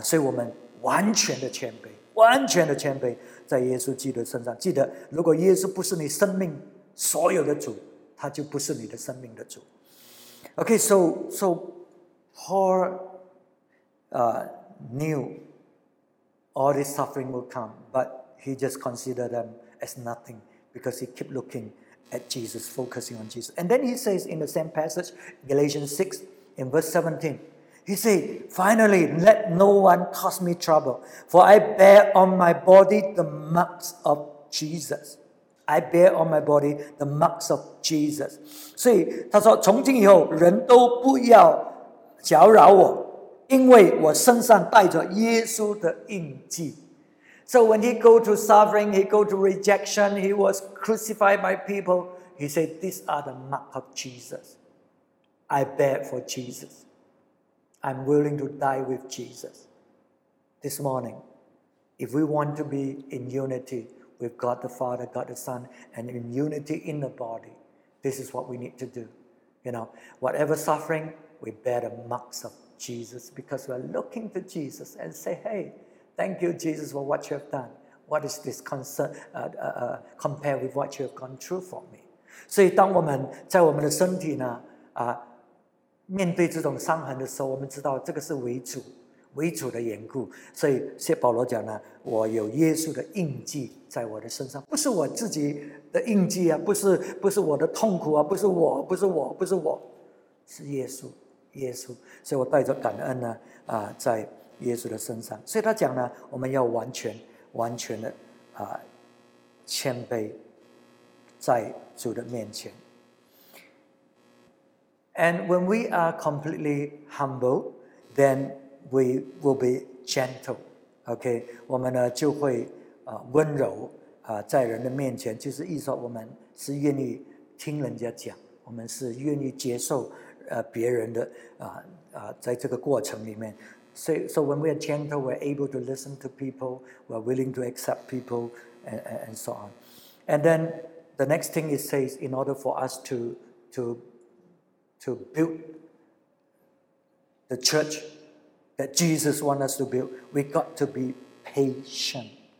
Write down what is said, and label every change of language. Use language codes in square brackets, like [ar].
[zh] 所以我们完全的谦卑，完全的谦卑在耶稣基督身上。记得，如果耶稣不是你生命所有的主，他就不是你的生命的主。 [en] Okay, so Paul knew all this suffering will come, but he just considered them as nothing because he kept looking at Jesus, focusing on Jesus. And then he says in the same passage, Galatians 6, in verse 17, he said, "Finally, let no one cause me trouble, for I bear on my body the marks of Jesus." I bear on my body the marks of Jesus. [zh] 所以他说，从今以后，人都不要搅扰我，因为我身上带着耶稣的印记。 [en] So when he go to suffering, he go to rejection, he was crucified by people. He said, "These are the mark of Jesus. I bear for Jesus. I'm willing to die with Jesus." This morning, if we want to be in unity with God the Father, God the Son, and in unity in the body, this is what we need to do. You know, whatever suffering, we bear the marks of Jesus because we're looking to Jesus and say, "Hey, thank you, Jesus, for what you have done. What is this concern, compared with what you have gone through for me?" [zh] 所以当我们在我们的身体呢、面对这种伤痕的时候，我们知道这个是为主的缘故。所以谢保罗讲呢，我有耶稣的印记在我的身上，不是我自己的印记啊，不是我的痛苦啊，不是我，是耶稣。所以我带着感恩呢、在耶稣的身上。所以他讲呢，我们要完全的谦卑在主的面前。 [en] And when we are completely humble, then we will be gentle. [zh] Okay, 我们呢就会温柔在人的面前，就是意思说我们是愿意听人家讲，我们是愿意接受别人的在这个过程里面。 [en] So when we are gentle, we're able to listen to people, we're willing to accept people, and so on. And then the next thing it says, in order for us to build the church that Jesus wants us to build, we got to be patient.